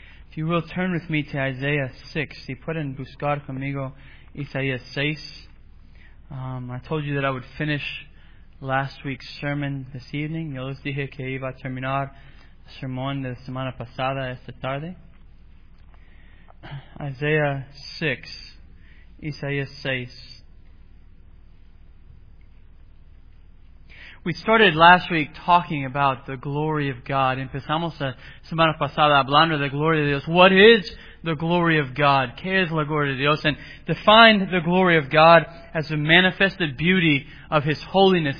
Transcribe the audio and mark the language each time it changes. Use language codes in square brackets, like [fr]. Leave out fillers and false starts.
[en] If you will, turn with me to Isaiah 6. [es] Si pueden buscar conmigo Isaías 6. [en] I told you that I would finish last week's sermon this evening. [es] Yo les dije que iba a terminar el sermón de la semana pasada esta tarde. Isaiah 6. Isaías 6. [en] We started last week talking about the glory of God. [es] Empezamos la semana pasada hablando de la gloria de Dios. [en] What is the glory of God? [es] ¿Qué es la gloria de Dios? [en] And defined the glory of God as the manifested beauty of His holiness.